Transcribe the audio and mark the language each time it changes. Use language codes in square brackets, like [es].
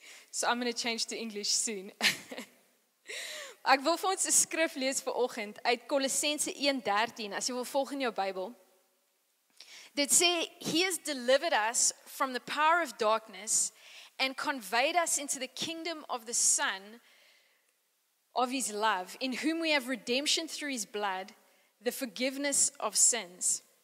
[en] So I'm going to change to English soon. [af] Ek wil vir ons een skrif lees vir oggend uit Kolossense 1:13, as jy wil volg in jou Bybel. Dit sê, [en] He has delivered us from the power of darkness and conveyed us into the kingdom of the Son of His love, in whom we have redemption through His blood, the forgiveness of sins.